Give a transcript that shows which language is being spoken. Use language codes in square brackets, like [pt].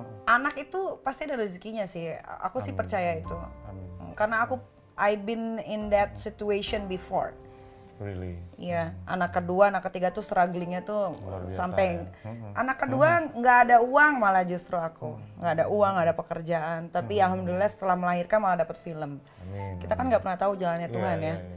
[id] Anak itu pasti ada rezekinya sih. Aku sih percaya itu. Amin. Karena aku [en] I've been in that situation before. Really? [id] Iya, anak kedua, anak ketiga tuh struggling-nya tuh sampai anak kedua enggak ada uang, malah justru aku. Enggak ada uang, enggak ada pekerjaan, tapi alhamdulillah setelah melahirkan malah dapat film. Amin. Kita kan enggak pernah tahu jalannya Tuhan ya.